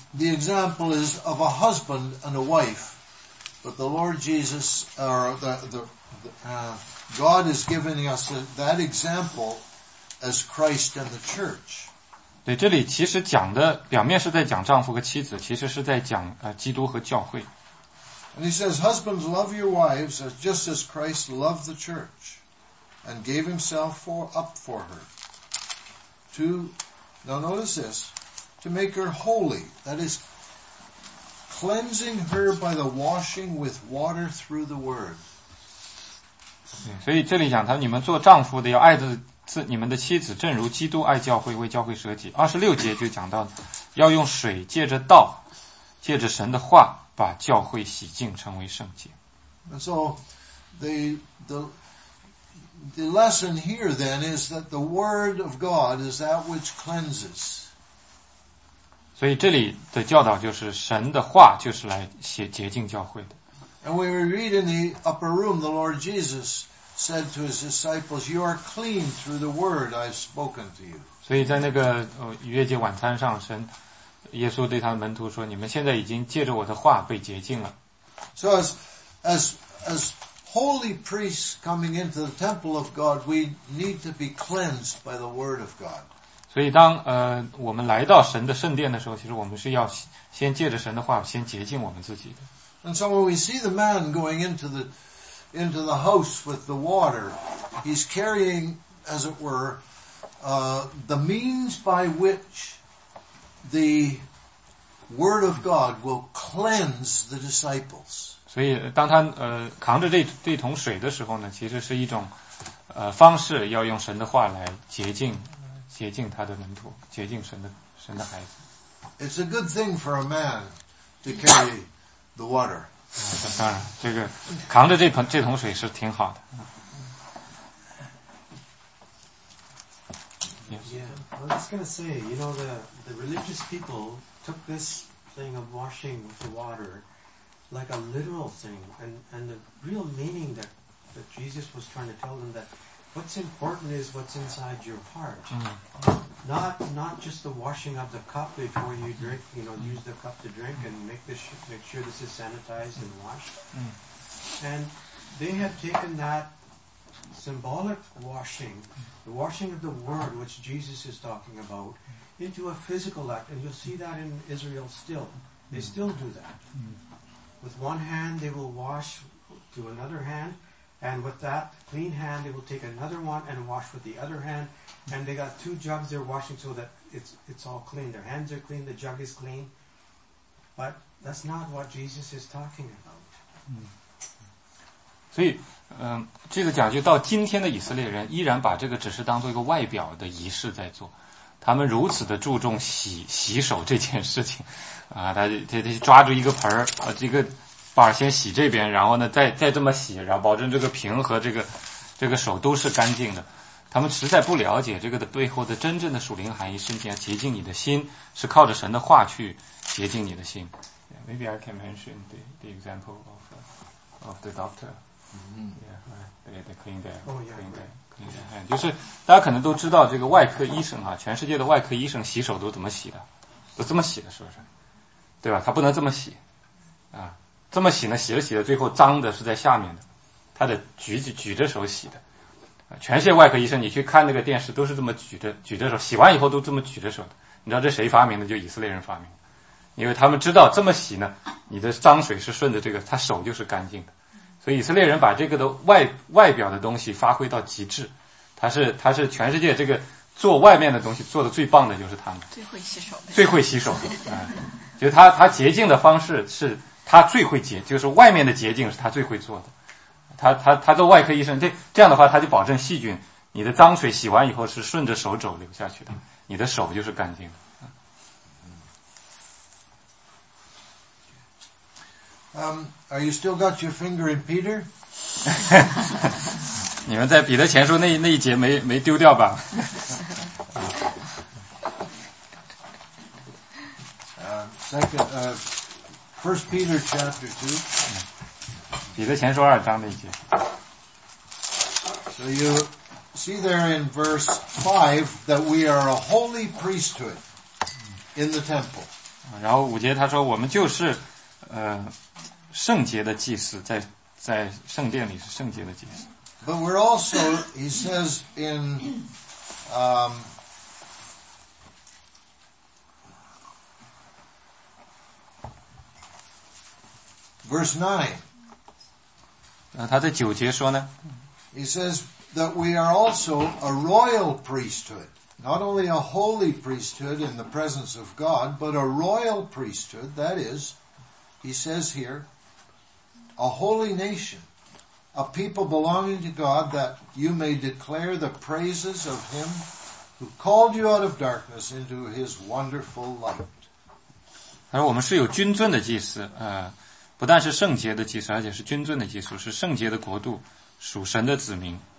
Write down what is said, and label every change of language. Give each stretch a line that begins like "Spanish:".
English: The example is of a husband and a wife, but the Lord Jesus, or the God is giving us that example as Christ and the church.
Chinese: 对，这里其实讲的表面是在讲丈夫和妻子，其实是在讲基督和教会。
English: And he says, "Husbands, love your wives just as Christ loved the church, and gave himself up for her. To now notice this, to make her holy. That is cleansing her by the washing with water through the word."
Chinese: 所以这里讲他，你们做丈夫的要爱自你们的妻子，正如基督爱教会，为教会舍己。二十六节就讲到，要用水借着道，借着神的话。把教会洗净，成为圣洁。
English: So, the lesson here then is that the word of God is that which cleanses.
Chinese: 所以这里的教导就是神的话就是来洁净教会的。
English: And when we read in the upper room, the Lord Jesus said to his disciples, "You are clean through the word I've spoken to you."
Chinese: 所以在那个逾越节晚餐上，神。耶稣对他的门徒说：“你们现在已经借着我的话被洁净了。”
English: So as holy priests coming into the temple of God, we need to be cleansed by the word of God.
Chinese: 所以当我们来到神的圣殿的时候，其实我们是要先借着神的话先洁净我们自己的。
English: And so when we see the man going into the house with the water, he's carrying, as it were, the means by which the word of God will cleanse the disciples.
Chinese: 所以当他扛着这桶水的时候呢，其实是一种方式，要用神的话来洁净他的门徒，洁净神的孩子。
English: It's a good thing for a man to carry the water.
Chinese: 当然，这个扛着这桶水是挺好的。
English: Yeah, I was just going to say, you know, the religious people took this thing of washing with the water like a literal thing, and the real meaning that Jesus was trying to tell them that what's important is what's inside your heart. Mm. Not just the washing of the cup before you drink, you know, use the cup to drink and make sure this is sanitized and washed. Mm. And they had taken that symbolic washing, the washing of the word which Jesus is talking about, into a physical act. And you'll see that in Israel still. They still do that. With one hand, they will wash to another hand, and with that clean hand, they will take another one and wash with the other hand. And they got two jugs they're washing so that it's all clean. Their hands are clean, the jug is clean. But that's not what Jesus is talking about. See,
Chinese: 这个讲就到今天的以色列人依然把这个只是当做一个外表的仪式在做，他们如此的注重洗手这件事情，他抓住一个盆儿，这个把先洗这边，然后呢再这么洗，然后保证这个瓶和这个手都是干净的。他们实在不了解这个的背后的真正的属灵含义，是你要洁净你的心，是靠着神的话去洁净你的心。
English: Yeah, maybe I can mention the example of the doctor. Mm-hmm. Yeah, right. They clean their hand.
Chinese: 就是大家可能都知道这个外科医生啊，全世界的外科医生洗手都怎么洗的？都这么洗的，是不是？对吧？他不能这么洗啊！这么洗呢，洗着洗着，最后脏的是在下面的，他得举着手洗的。全世界外科医生，你去看那个电视，都是这么举着手，洗完以后都这么举着手的。你知道这谁发明的？就以色列人发明的，因为他们知道这么洗呢，你的脏水是顺着这个，他手就是干净的。所以以色列人把这个的外表的东西发挥到极致，他是全世界这个做外面的东西做的最棒的就是他们，最会洗手的、就是他洁净的方式是他最会洁，就是外面的洁净是他最会做的，他做外科医生，这样的话他就保证细菌，你的脏水洗完以后是顺着手肘流下去的，你的手就是干净的。
English: Are you still got your finger in Peter?
Chinese: 你们在彼得前书那一节没丢掉吧？
English: First Peter chapter 2.
Chinese: 彼得前书二章那一节。
English: So you see there in verse 5 that we are a holy priesthood in the temple.
Chinese: 然后五节他说我们就是圣洁的祭司，在圣殿里是圣洁的祭司。
English: But we're also, he says in, verse 9.
Chinese: 他的九节说呢?
English: He says that we are also a royal priesthood. Not only a holy priesthood in the presence of God, but a royal priesthood, that is, he says here, a holy nation, a people belonging to God, that you may declare the praises of him who called you out of darkness into his wonderful light.
Chinese: 他说我们是有君尊的祭司，不但是圣洁的祭司，而且是君尊的祭司，是圣洁的国度，属神的子民。